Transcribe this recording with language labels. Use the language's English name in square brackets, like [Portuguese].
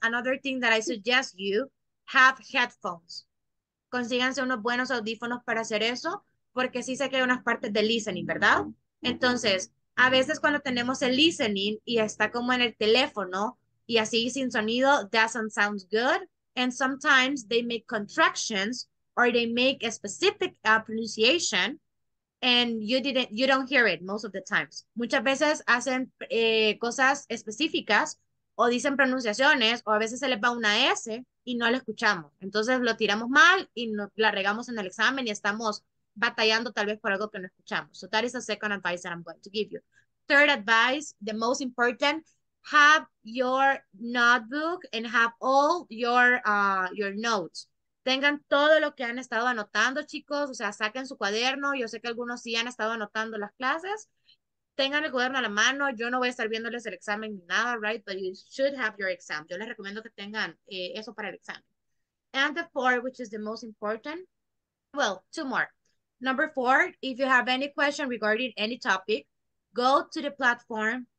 [English] another thing that I suggest you, have headphones. [Spanish] Consíganse unos buenos audífonos para hacer eso, porque sí sé que hay unas partes de listening, ¿verdad? Entonces, a veces cuando tenemos el listening y está como en el teléfono, y así sin sonido, [English] doesn't sound good. And sometimes they make contractions or they make a specific pronunciation and you don't hear it most of the times. [Spanish] Muchas veces hacen cosas específicas o dicen pronunciaciones o a veces se les va una S y no la escuchamos. Entonces lo tiramos mal y la regamos en el examen y estamos batallando tal vez por algo que no escuchamos. [English] So that is the second advice that I'm going to give you. Third advice, the most important, have your notebook and have all your notes. [Spanish] Tengan todo lo que han estado anotando, chicos. O sea, saquen su cuaderno. Yo sé que algunos sí han estado anotando las clases. Tengan el cuaderno a la mano. Yo no voy a estar viéndoles el examen ni nada, right? [English] But you should have your exam. [Spanish] Yo les recomiendo que tengan eso para el examen. [English] And the fourth, which is the most important. Well, two more. Number four, if you have any question regarding any topic, go to the platform.